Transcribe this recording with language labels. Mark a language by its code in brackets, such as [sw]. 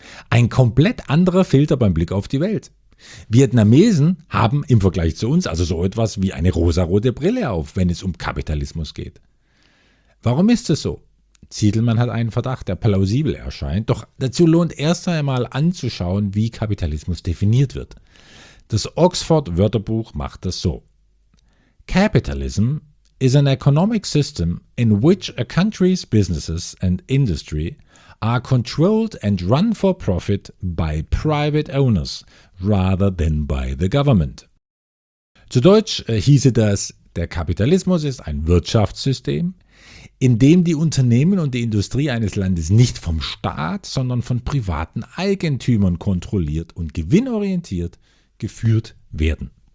[de] Ein komplett anderer Filter beim Blick auf die Welt. Vietnamesen haben im Vergleich zu uns also so etwas wie eine rosarote Brille auf, wenn es um Kapitalismus geht. Warum ist das so? Zietelmann hat einen Verdacht, der plausibel erscheint, doch dazu lohnt erst einmal anzuschauen, wie Kapitalismus definiert wird. Das Oxford-Wörterbuch macht das so: [en] Capitalism is an economic system in which a country's businesses and industry are controlled and run for profit by private owners rather than by the government. [de] Zu Deutsch hieße das: Der Kapitalismus ist ein Wirtschaftssystem, indem die Unternehmen und die Industrie eines Landes nicht vom Staat, sondern von privaten Eigentümern kontrolliert und gewinnorientiert geführt werden.